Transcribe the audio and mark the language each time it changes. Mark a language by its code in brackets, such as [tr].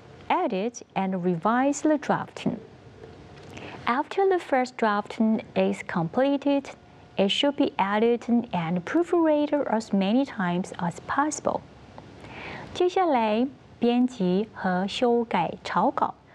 [en] edit and revise the draft. After the first draft is completed, it should be edited and proofread as many times as possible. [zh] 接下来编辑和修改草稿。